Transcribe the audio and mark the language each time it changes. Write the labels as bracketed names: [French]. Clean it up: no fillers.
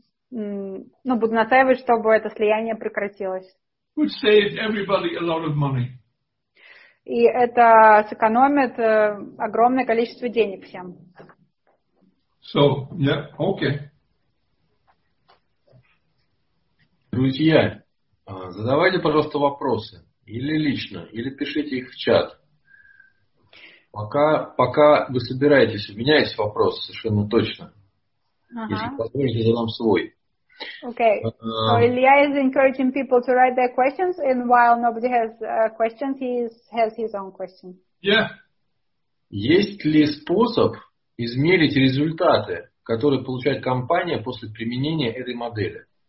[Russian] Я буду настаивать, чтобы это слияние прекратилось. [English] Which saved everybody a lot of money. [Russian] И это сэкономит огромное количество денег всем. [English] So, yeah, okay. [Russian] Друзья, задавайте, пожалуйста, вопросы. Или лично, или пишите их в чат. Пока вы собираетесь, у меня есть вопрос совершенно точно. Uh-huh. Если позволите, задам свой. Okay. [English] So Ilya is encouraging people to write their questions, and while nobody has questions, he has his own question. Yeah. [Russian] Есть ли способ измерить результаты, которые получает компания после применения этой модели?